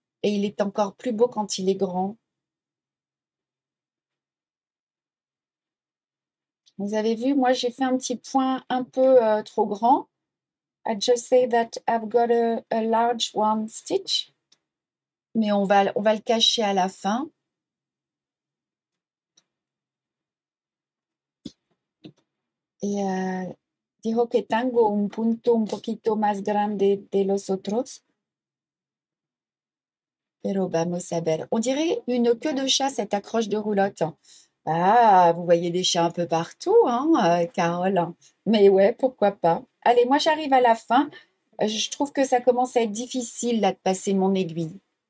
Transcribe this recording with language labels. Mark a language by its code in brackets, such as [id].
[fr] Et il est encore plus beau quand il est grand. Vous avez vu, moi, j'ai fait un petit point un peu trop grand. [en] I just say that I've got a large one stitch. [fr] Mais on va le cacher à la fin. [es] Dijo que tengo un punto un poquito más grande de los otros. Pero vamos a ver. [fr] On dirait une queue de chat, cette accroche de roulotte. Ah, vous voyez des chats un peu partout, hein, Carole. Mais ouais, pourquoi pas. Allez, moi j'arrive à la fin. Je trouve que ça commence à être difficile là de passer mon aiguille.